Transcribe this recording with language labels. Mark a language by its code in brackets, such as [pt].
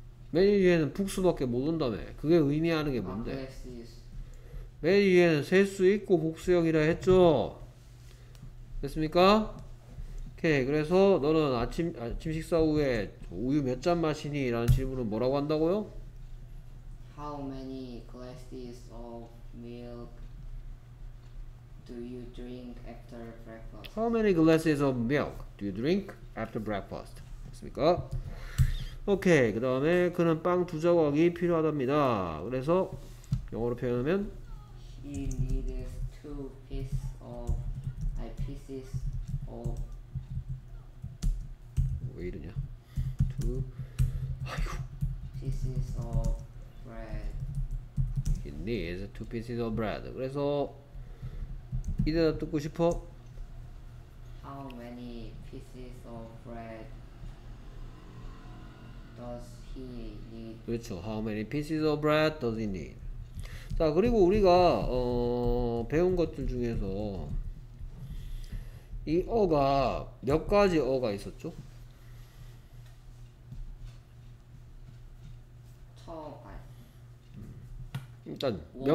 [ko] 맨 뒤에는 북스밖에 모른다며. 그게 의미하는 게 뭔데? [en] glasses. [ko] 맨 위에는 셀수 있고 복수형이라 했죠. 됐습니까? 오케이. 그래서 너는 아침 식사 후에 우유 몇잔 마시니? 라는 질문은 뭐라고 한다고요? [en] How many glasses of milk do you drink after breakfast? How many glasses of milk do you drink after breakfast? [ko] 됐습니까? 오케이. 그 다음에 그는 빵두 조각이 필요하답니다. 그래서 영어로 표현하면 [en] needs two pieces of I pieces of [ko] 왜 이러냐? 두 [en] pieces of bread. needs two pieces of bread. [ko] 그래서 이 대답 듣고 싶어? [en] How many pieces of bread does he need? [ko] 그렇죠. [en] How many pieces of bread does he need? [ko] 자, 그리고 우리가 배운 것들 중에서 이 어가 몇 가지 어가 있었죠? 일단 몇